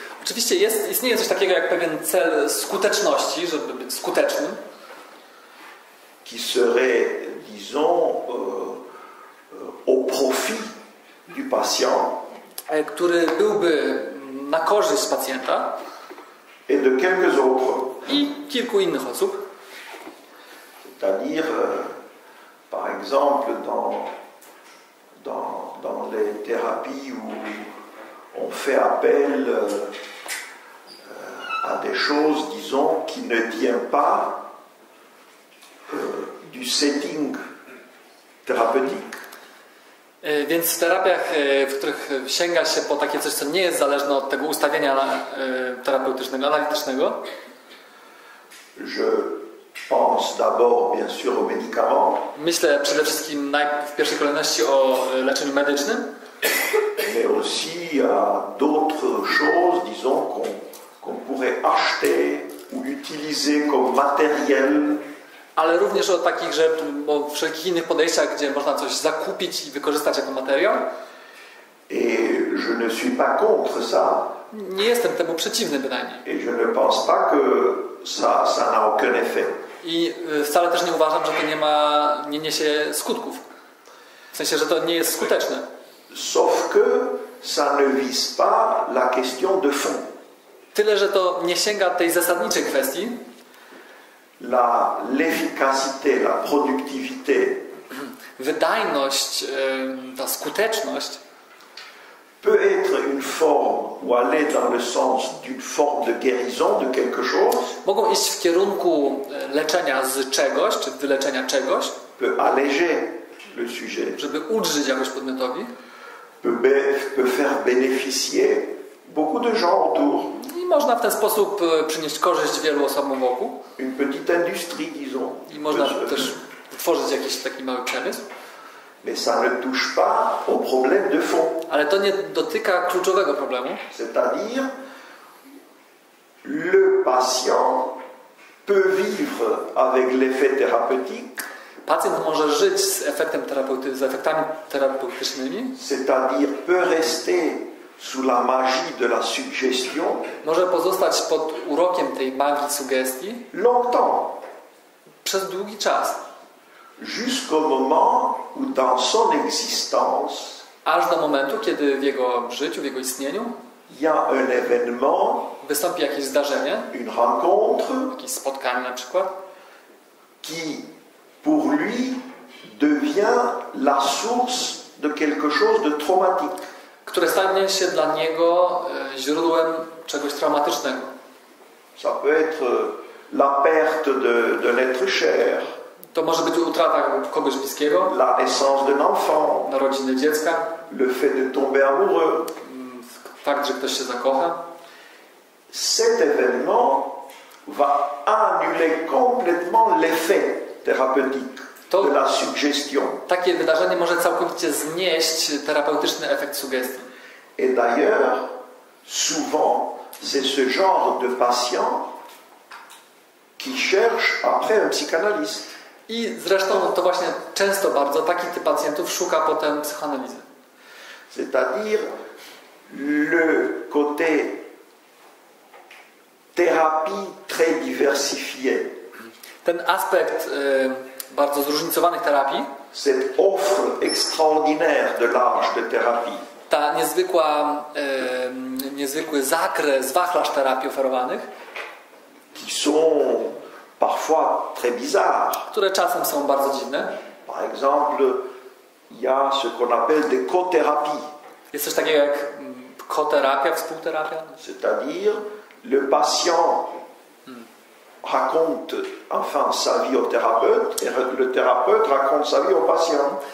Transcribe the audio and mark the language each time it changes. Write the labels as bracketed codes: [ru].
[pl] Oczywiście istnieje coś takiego jak pewien cel skuteczności, żeby być skutecznym. [fr] Qui serait, disons, au profit du patient, [pl] który byłby na korzyść pacjenta [fr] et de quelques autres. [pl] I kilku innych osób. [fr] C'est-à-dire, par exemple, dans les thérapies où on fait appel à des choses, disons, qui ne tiennent pas du setting thérapeutique. [pl] Więc w terapiach, w których sięga się po takie coś, co nie jest zależne od tego ustawienia terapeutycznego, analitycznego. [fr] Je pense d'abord bien sûr aux médicaments. [pl] Myślę przede wszystkim w pierwszej kolejności o leczeniu medycznym. [fr] Mais aussi à d'autres choses, disons, qu'on pourrait acheter ou utiliser comme matériel. [pl] Ale również o takich rzeczy, o wszelkich innych podejściach, gdzie można coś zakupić i wykorzystać jako materiał. [fr] Et je ne suis pas contre ça. [pl] Nie jestem temu przeciwny bynajmniej. [fr] Et je ne pense pas que ça n'a aucun effet. [pl] I wcale też nie uważam, że to nie niesie skutków. W sensie, że to nie jest skuteczne. [fr] Sauf que ça ne vise pas la question de fond. [pl] Tyle, że to nie sięga tej zasadniczej kwestii. [fr] L'efficacité, la productivité. [pl] Wydajność, ta skuteczność [fr] peut être une forme ou aller dans le sens d'une forme de guérison de quelque chose. [pl] Mogą iść w kierunku leczenia z czegoś, czy wyleczenia czegoś. [fr] Peut alléger le sujet. [pl] Żeby ulżyć jakoś podmiotowi. [fr] Peut faire bénéficier beaucoup de gens autour. [pl] Można w ten sposób przynieść korzyść wielu osobom wokół. [fr] Une petite industrie, disons. [pl] I można też tworzyć jakiś taki mały przemysł. [fr] Mais ça ne touche pas au problème de fond. [pl] Ale to nie dotyka kluczowego problemu. [fr] C'est-à-dire, le patient peut vivre avec l'effet thérapeutique. [pl] pacjent może żyć z efektem terapeuty, z efektami terapeutycznymi? [fr] C'est-à-dire peut rester sous la magie de la suggestion. [pl] Może pozostać pod urokiem tej magii sugestii? [fr] Longtemps. [pl] Przez długi czas. [fr] Jusqu'au moment où dans son existence. [pl] Aż do momentu, kiedy w jego życiu, w jego istnieniu. [fr] Il y a un événement. [pl] Wystąpi jakieś zdarzenie. [fr] Une rencontre. [pl] Jakieś spotkanie na przykład. [fr] Qui pour lui devient la source de quelque chose de traumatique. [pl] Które stanie się dla niego źródłem czegoś traumatycznego. [fr] Ça peut être la perte de l'être cher. [pl] To może być utrata kogoś bliskiego. [fr] La naissance d'un enfant. [pl] Narodziny dziecka. [fr] Le fait de tomber amoureux. [pl] Fakt, że ktoś się zakocha. [fr] Cet événement va annuler complètement l'effet thérapeutique de la suggestion. [pl] Takie wydarzenie może całkowicie znieść terapeutyczny efekt sugestii. [fr] Et d'ailleurs, souvent, c'est ce genre de patient qui cherche après un psychanalyste. [pl] I zresztą to właśnie często bardzo taki typ pacjentów szuka potem psychoanalizy. [fr] C'est-à-dire le côté thérapie très diversifiée. [pl] Ten aspekt bardzo zróżnicowanych terapii. [fr] Cette offre extraordinaire de large de thérapie. [pl] Ta niezwykła, niezwykły zakres, wachlarz terapii oferowanych. [fr] Qui sont parfois très bizarres. [pl] Które czasem są bardzo dziwne. [fr] Par exemple, il y a ce qu'on appelle des co-thérapies. [pl] Jest coś takiego jak co-terapia, współterapia. [fr] C'est-à-dire le patient raconte enfin sa vie au thérapeute et le thérapeute raconte sa vie au patient.